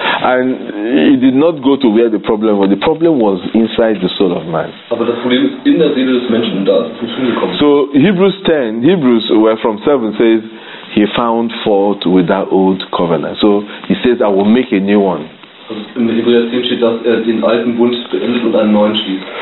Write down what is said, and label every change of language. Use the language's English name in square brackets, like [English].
[English] And it did not go to where the problem was. The problem was inside the soul of man. [German] Aber das Problem ist in der Seele des Menschen, da ist es hingekommen. [English] So Hebrews where from 7 says he found fault with that old covenant. So he says, "I will make a new one." [German] Also in Hebräer 10 steht, dass er den alten Bund beendet und einen neuen schließt.